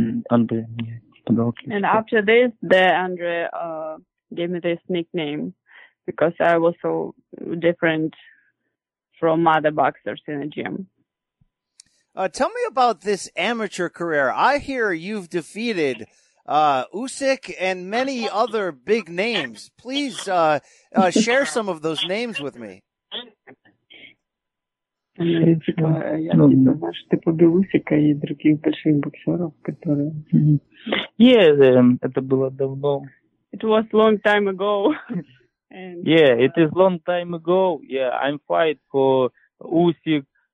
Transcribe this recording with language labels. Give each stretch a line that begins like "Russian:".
English: And after this, the Andre gave me this nickname because I was so different from other boxers in the gym. Tell me about this amateur career. I hear you've defeated Usyk and many other big names. Please share some of those names with me.
Russian: Yeah, это было давно.
English: It was a long time ago. And, yeah, it is long time ago. Yeah, I'm fight for Usyk.